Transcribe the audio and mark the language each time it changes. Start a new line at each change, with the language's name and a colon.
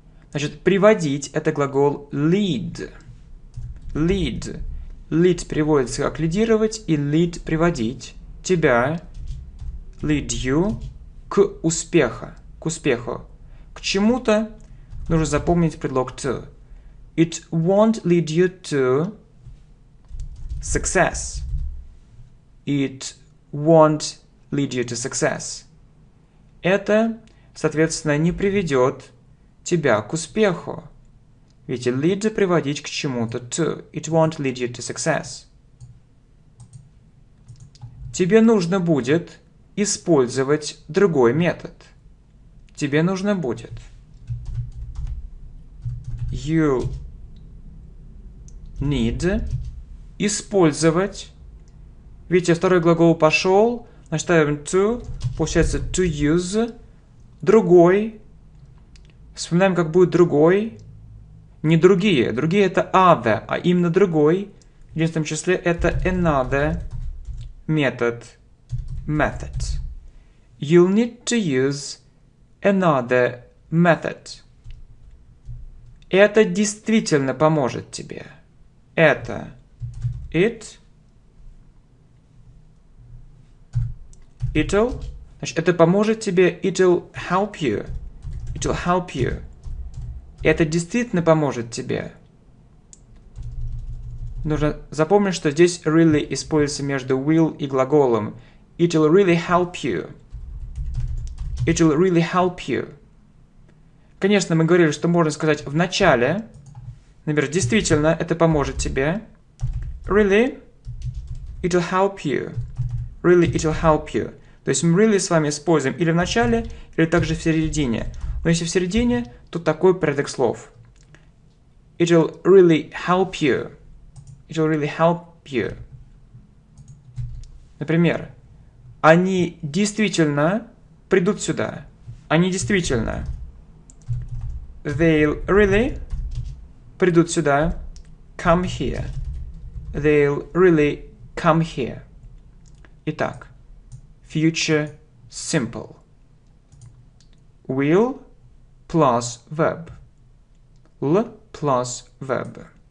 Russian: Значит, приводить это глагол lead.
English: Lead.
Russian: Lead переводится как лидировать и lead приводить тебя,
English: lead you,
Russian: к успеху. К успеху. К чему-то нужно запомнить предлог to.
English: It won't lead you to success. It won't lead you to success.
Russian: Это, соответственно, не приведет тебя к успеху. Ведь lead приводить к чему-то to.
English: It won't lead you to success.
Russian: Тебе нужно будет использовать другой метод. Тебе нужно будет.
English: You need
Russian: использовать. Видите, второй глагол пошел. Значит, ставим to. Получается to use. Другой. Вспоминаем, как будет другой. Не другие. Другие это other, а именно другой. В единственном числе это another метод.
English: Method. You'll need to use another method.
Russian: Это действительно поможет тебе. Это it.
English: It'll.
Russian: Значит, это поможет тебе.
English: It'll help you. It'll help you.
Russian: Это действительно поможет тебе. Нужно запомнить, что здесь really используется между will и глаголом.
English: It'll really help you. It'll really help you.
Russian: Конечно, мы говорили, что можно сказать в начале. Например, действительно, это поможет тебе.
English: Really, it'll help you. Really, it'll help you.
Russian: То есть мы really с вами используем или в начале, или также в середине. Но если в середине, то такой порядок слов.
English: It'll really help you. It'll really help you.
Russian: Например, Они действительно придут сюда. Они действительно.
English: They'll really
Russian: придут сюда.
English: Come here. They'll really come here.
Russian: Итак,
English: future simple. Will plus verb. L plus verb.